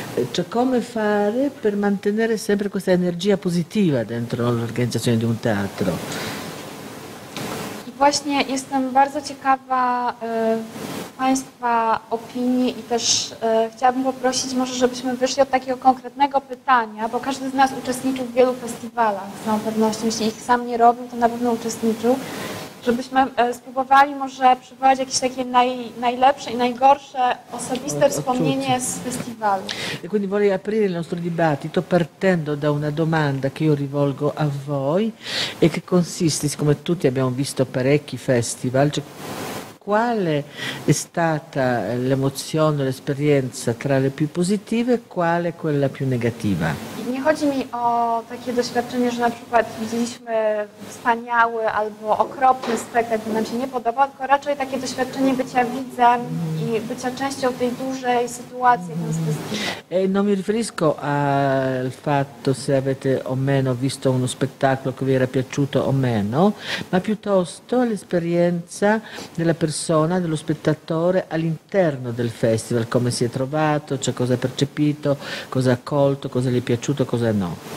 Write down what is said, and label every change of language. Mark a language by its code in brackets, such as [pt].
[it] cioè come fare per mantenere sempre questa energia positiva dentro l'organizzazione di un teatro? [pl] Właśnie jestem bardzo ciekawa Państwa opinii i też chciałabym poprosić może, żebyśmy wyszli od takiego konkretnego pytania, bo każdy z nas uczestniczył w wielu festiwalach, z całą pewnością, jeśli ich sam nie robił, to na pewno uczestniczył, żebyśmy spróbowali może przywołać jakieś takie najlepsze i najgorsze osobiste wspomnienie z festiwalu. [it] E quindi vorrei aprire il nostro dibattito partendo da una domanda che io rivolgo a voi e che consiste, siccome tutti abbiamo visto parecchi festival, cioè quale è stata l'emozione, l'esperienza tra le più positive e quale quella più negativa? [pl] Nie chodzi mi o takie doświadczenie, że na przykład widzieliśmy wspaniały albo okropny spektakl, nam się nie podobał, tylko raczej takie doświadczenie bycia widzem i bycia częścią tej dużej sytuacji. [it] Non mi riferisco al fatto se avete o meno visto uno spettacolo che vi era piaciuto o meno, ma piuttosto l'esperienza della persona, dello spettatore all'interno del festival, come si è trovato, cioè cosa ha percepito, cosa ha accolto, cosa gli è piaciuto, cosa no.